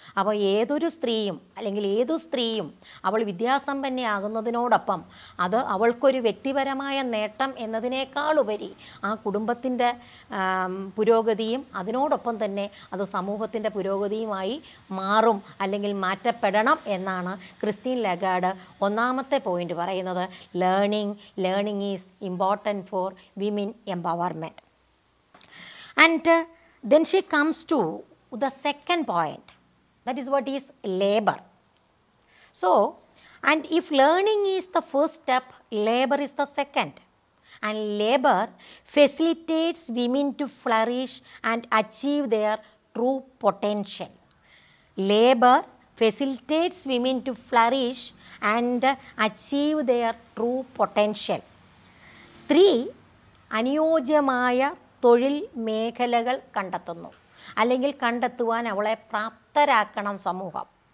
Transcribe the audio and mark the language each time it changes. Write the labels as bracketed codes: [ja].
[ml] അപ്പോൾ ഏതൊരു സ്ത്രീയും അല്ലെങ്കിൽ ഏതു സ്ത്രീയും അവൾ വിദ്യാസമ്പന്നയാകുന്നതിനോടൊപ്പം അത് അവൾക്കൊരു വ്യക്തിപരമായ നേട്ടം എന്നതിനേക്കാളുപരി ആ കുടുംബത്തിൻ്റെ പുരോഗതിയും അതിനോടൊപ്പം തന്നെ അത് സമൂഹത്തിൻ്റെ പുരോഗതിയുമായി മാറും അല്ലെങ്കിൽ മാറ്റപ്പെടണം എന്നാണ് ക്രിസ്റ്റീൻ ലഗാർഡ് ഒന്നാമത്തെ പോയിൻ്റ് പറയുന്നത്. [en] Learning is important for women empowerment. And then she comes to the second point, that is what is labor. So, and if learning is the first step, labor is the second. And labor facilitates women to flourish and achieve their true potential. Labor facilitates women to flourish and achieve their true potential. [ml] സ്ത്രീ അനുയോജ്യമായ തൊഴിൽ മേഖലകൾ കണ്ടെത്തുന്നു അല്ലെങ്കിൽ കണ്ടെത്തുവാൻ അവളെ പ്രാപ്തരാക്കണം സമൂഹം.